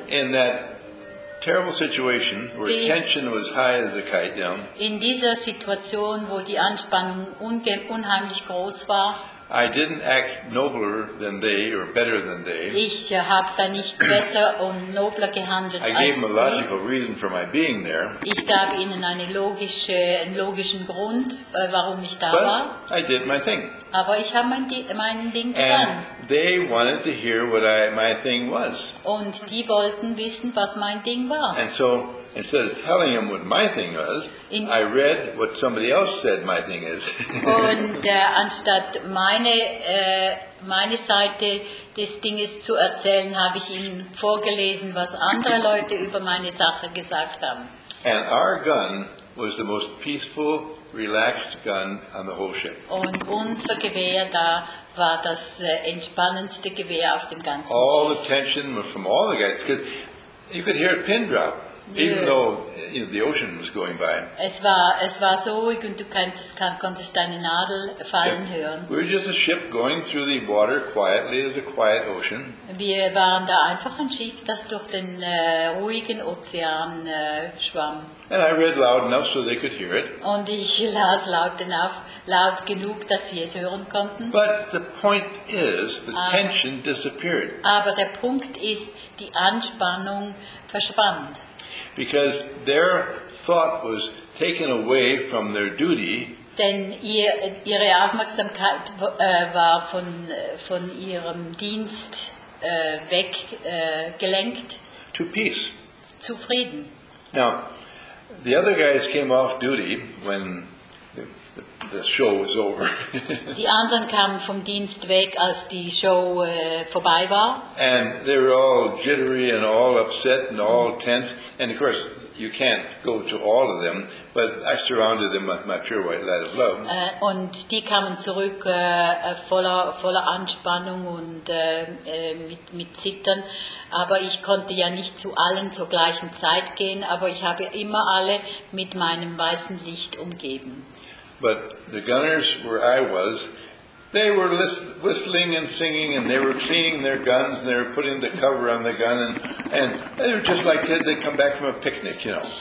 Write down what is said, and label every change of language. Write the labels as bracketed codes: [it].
[en] In that terrible situation where tension was high as a kite, you know. [de] In dieser Situation, wo die Anspannung unheimlich groß war. [en] I didn't act nobler than they or better than they. [de] Ich habe da nicht besser und nobler gehandelt. [en] I gave them a logical reason for my being there. [de] Ich gab ihnen einen logischen Grund, warum ich da war. [en] I did my thing. [de] Aber ich habe mein Ding getan. [en] And they wanted to hear what my thing was. [de] Und die wollten wissen, was mein Ding war. [en] And so instead of telling him what my thing was, I read what somebody else said my thing is. [de] Und anstatt meine Seite des Dinges zu erzählen, habe ich ihm vorgelesen, was andere Leute über meine Sache gesagt haben. [en] And our gun was the most peaceful, relaxed gun on the whole ship. [de] Und unser Gewehr da war das entspannendste Gewehr auf dem ganzen Schiff. [en] All the tension was from all the guys, because you could hear a pin drop, even though the ocean was going by. [de] Es war so ruhig und du konntest deine Nadel fallen hören. [en] We were just a ship going through the water quietly as a quiet ocean. [de] Wir waren da einfach ein Schiff, das durch den ruhigen Ozean schwamm. [en] And I read loud enough so they could hear it. [de] Und ich las laut genug, dass sie es hören konnten. [en] But the point is, the tension disappeared. [de] Aber der Punkt ist, die Anspannung verschwand. [en] Because their thought was taken away from their duty. [de] Denn ihre Aufmerksamkeit war von ihrem Dienst weggelenkt. [en] To peace. [de] Zu Frieden. [en] Now, the other guys came off duty when the show was over. [de] Die anderen kamen vom Dienst weg, als die Show vorbei war. [en] And they were all jittery and all upset and all tense. And of course, you can't go to all of them, but I surrounded them with my pure white light of love. [de] Und die kamen zurück voller Anspannung und mit Zittern. Aber ich konnte ja nicht zu allen zur gleichen Zeit gehen, aber ich habe immer alle mit meinem weißen Licht umgeben. [en] But the gunners where I was, they were whistling and singing and they were cleaning their guns and they were putting the cover on the gun and they were just like they'd come back from a picnic, you know.